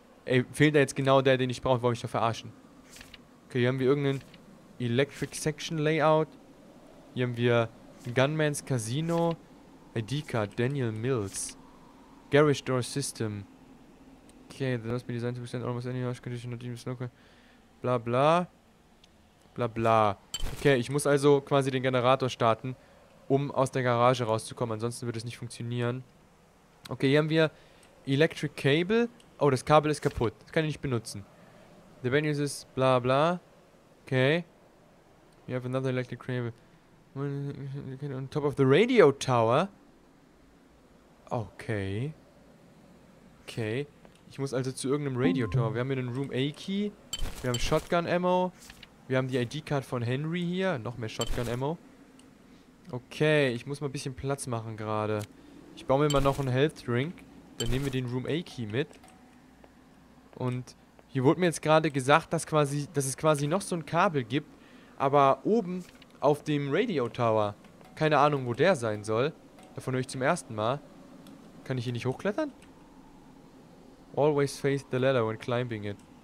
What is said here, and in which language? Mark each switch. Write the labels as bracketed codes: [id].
[de] Ey, fehlt da jetzt genau der, den ich brauche? Wollte ich doch verarschen. Okay, hier haben wir irgendeinen Electric Section Layout. Hier haben wir Gunman's Casino. ID-Card, Daniel Mills. Garage Door System. [en] Okay, the last be designed to withstand almost any harsh condition, not even snow. Bla bla. Bla bla. [de] Okay, ich muss also quasi den Generator starten, um aus der Garage rauszukommen. Ansonsten wird es nicht funktionieren. Okay, hier haben wir Electric Cable. Oh, das Kabel ist kaputt. Das kann ich nicht benutzen. [en] The venue is bla bla. Okay. We have another electric cable. On top of the radio tower. Okay. Okay. [de] Ich muss also zu irgendeinem Radio Tower. Wir haben hier einen Room A Key. Wir haben Shotgun Ammo. Wir haben die ID-Card von Henry hier. Noch mehr Shotgun Ammo. Okay, ich muss mal ein bisschen Platz machen gerade. Ich baue mir mal noch einen Health Drink. Dann nehmen wir den Room A Key mit. Und hier wurde mir jetzt gerade gesagt, dass es quasi noch so ein Kabel gibt. Aber oben auf dem Radio Tower. Keine Ahnung, wo der sein soll. Davon höre ich zum ersten Mal. Kann ich hier nicht hochklettern? [en] Always face the ladder when climbing it.